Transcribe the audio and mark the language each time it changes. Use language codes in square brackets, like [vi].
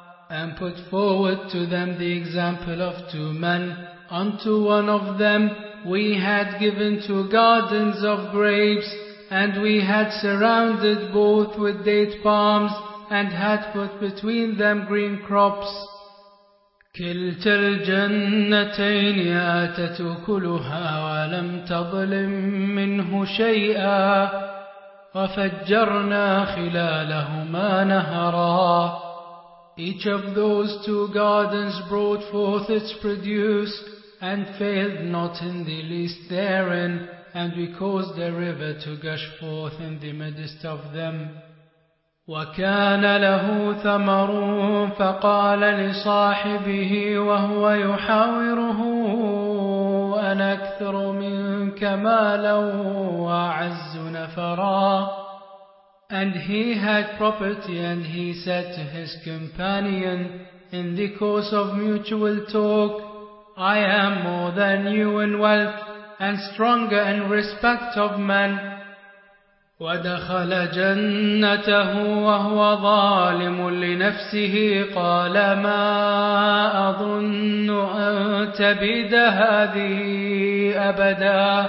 [en] And put forward to them the example of two men. Unto one of them we had given two gardens of grapes, and we had surrounded both with date palms, and had put between them green crops. [ar] كلتا الجنتين آتت أكلها ولم تظلم منه شيئا وفجرنا خلالهما نهرا. [en] Each of those two gardens brought forth its produce, and failed not in the least therein, and we caused a river to gush forth in the midst of them. [ar] وكان له ثمر فقال لصاحبه وهو يحاوره فنكثر منك مالا وعز نفرا. [en] And he had property, and he said to his companion in the course of mutual talk, I am more than you in wealth and stronger in respect of men. [ar] ودخل جنته وهو ظالم لنفسه قال ما أظن أن تبيد هذه أبدا.